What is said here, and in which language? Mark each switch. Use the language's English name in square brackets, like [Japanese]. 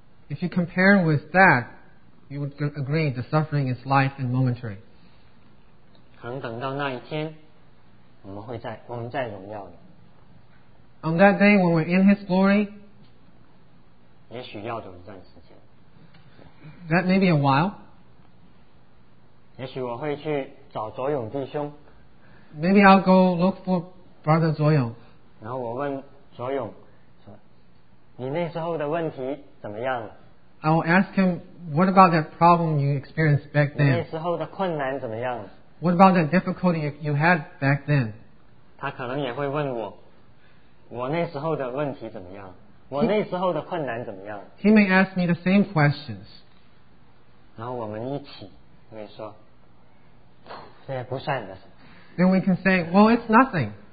[English] if you compare with that, you would agree the suffering is light and momentary. [Chinese] 可能等到那一天, 我们在荣耀的, [English] on that day when we're in His glory, [Chinese] 也许要走一段时间, [English] that may be a while. [Chinese] 也许我会去找卓勇弟兄, [English] maybe I'll go look for Brother 卓勇, [Chinese] 然后我问卓勇说, 你那时候的问题怎么样了? [English] I'll ask him, what about that problem you experienced back then? [Chinese] 你那时候的困难怎么样了? [English] What about that difficulty you had back then? [Chinese] 他可能也会问我, 我那时候的问题怎么样? 我那时候的困难怎么样? [English] He may ask me the same questions. [Chinese] 然后我们一起会说, [English] then we can say, well, it's nothing.